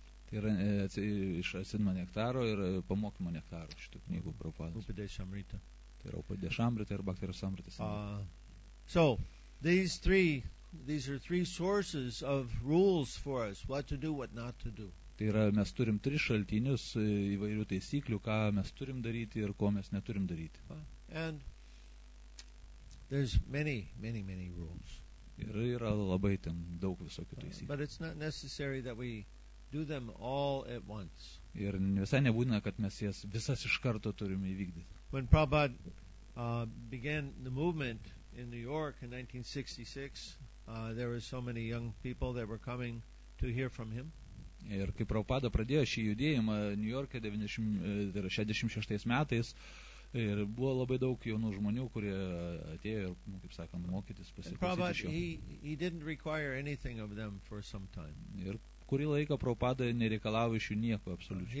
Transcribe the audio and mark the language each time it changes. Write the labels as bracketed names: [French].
[Lithuanian] Tai yra iš Asinma Nektaro ir Pamokymo Nektaro šitų knygų Prabhupadas. [Sanskrit] Upadesamrita. [Lithuanian] Yra Upadesamrita ir Bhaktirasamrita. [English] So, these are three sources of rules for us, what to do, what not to do. [Lithuanian] Tai yra, mes turim tris šaltinius įvairių taisyklių, ką mes turim daryti ir ko mes neturim daryti. [English] And there's many, many, many rules. [Lithuanian] Ir yra labai ten daug visokių taisyklių. [English] But it's not necessary that we do them all at once. [Lithuanian] Ir visai nebūtina, kad mes jas visas iš karto turim įvykdyti. [English] When Prabhupada began the movement in New York in 1966, there were so many young people that were coming to hear from him. [Lithuanian] Ir kai Prabhupada pradėjo šį judėjimą New York'e 66 metais, ir buvo labai daug jaunų žmonių, kurie atėjo ir, kaip sakant, mokytis pasiklausyti šio. [English] Prabhupada, he didn't require anything of them for some time. [Lithuanian] Ir kurį laiką Prabhupada nereikalavo iš jų nieko absoliučiai.